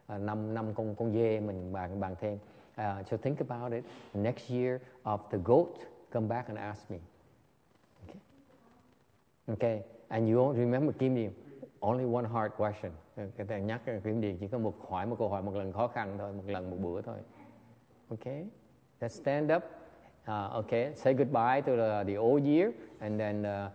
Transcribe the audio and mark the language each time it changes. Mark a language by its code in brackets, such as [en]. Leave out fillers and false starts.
[vi] Sang năm con dê mình bàn thêm. [en] So think about it. Next year of the goat, come back and ask me. Okay. And you all remember Kim Điền, only one hard question. [vi] Cái thầy nhắc Kim Điền chỉ có một câu hỏi một lần khó khăn thôi, một lần một bữa thôi. [en] Okay. Let's stand up. Okay. Say goodbye to the old year and then.